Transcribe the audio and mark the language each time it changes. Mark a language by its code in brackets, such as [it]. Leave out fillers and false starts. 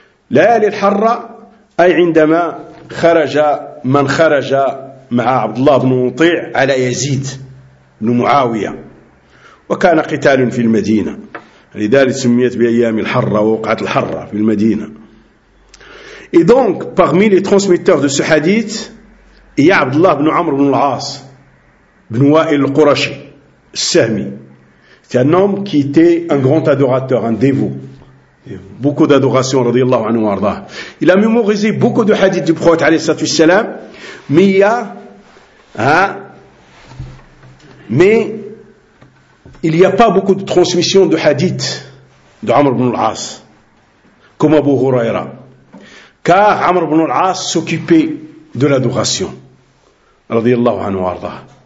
[ar] ليالي الحرة أي عندما خرج من خرج مع عبد الله بن مطيع على يزيد بن معاوية، وكان قتال في المدينة، لذلك سميت بأيام الحرة ووقعت الحرة في المدينة. [fr] Et donc parmi les transmetteurs de ce hadith il y a عبد الله بن عمرو بن العاص بن وائل القرشي السهمي. C'est un homme qui était un grand adorateur, un dévot. Beaucoup d'adoration, رضي الله عنه وارضاه. Il a mémorisé beaucoup de hadiths du prophète عليه الصلاة والسلام. Mais il y a mais il n'y a pas beaucoup de transmission de hadith de Amr ibn al-As comme Abu Huraira, car Amr ibn al-As s'occupait de l'adoration radiyallahu anhu arda.